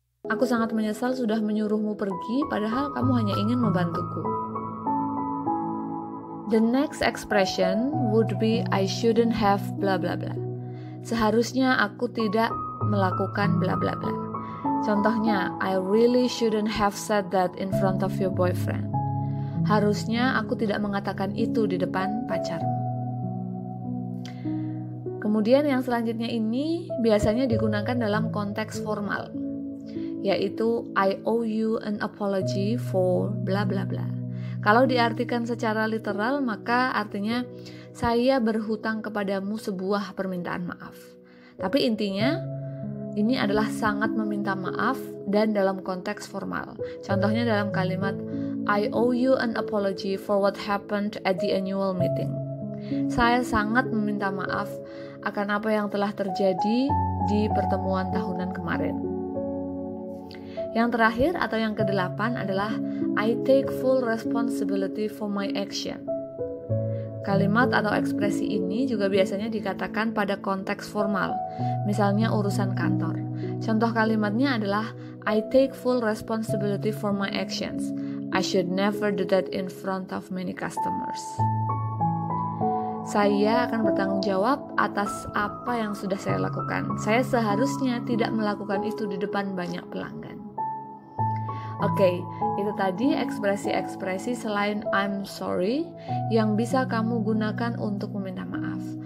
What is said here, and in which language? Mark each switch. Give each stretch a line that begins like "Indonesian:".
Indonesian: aku sangat menyesal sudah menyuruhmu pergi, padahal kamu hanya ingin membantuku.
English: The next expression would be I shouldn't have blah blah blah.
Indonesian: Seharusnya aku tidak melakukan blah blah blah. Contohnya,
English: I really shouldn't have said that in front of your boyfriend.
Indonesian: Harusnya aku tidak mengatakan itu di depan pacarmu. Kemudian yang selanjutnya ini biasanya digunakan dalam konteks formal, yaitu
English: I owe you an apology for blah blah blah.
Indonesian: Kalau diartikan secara literal, maka artinya saya berhutang kepadamu sebuah permintaan maaf. Tapi intinya, ini adalah sangat meminta maaf dan dalam konteks formal. Contohnya dalam kalimat,
English: I owe you an apology for what happened at the annual meeting.
Indonesian: Saya sangat meminta maaf akan apa yang telah terjadi di pertemuan tahunan kemarin. Yang terakhir atau yang kedelapan adalah
English: I take full responsibility for my action.
Indonesian: Kalimat atau ekspresi ini juga biasanya dikatakan pada konteks formal, misalnya urusan kantor. Contoh kalimatnya adalah
English: I take full responsibility for my actions. I should never do that in front of many customers.
Indonesian: Saya akan bertanggung jawab atas apa yang sudah saya lakukan. Saya seharusnya tidak melakukan itu di depan banyak pelanggan. Oke, itu tadi ekspresi-ekspresi selain
English: I'm sorry
Indonesian: yang bisa kamu gunakan untuk meminta maaf.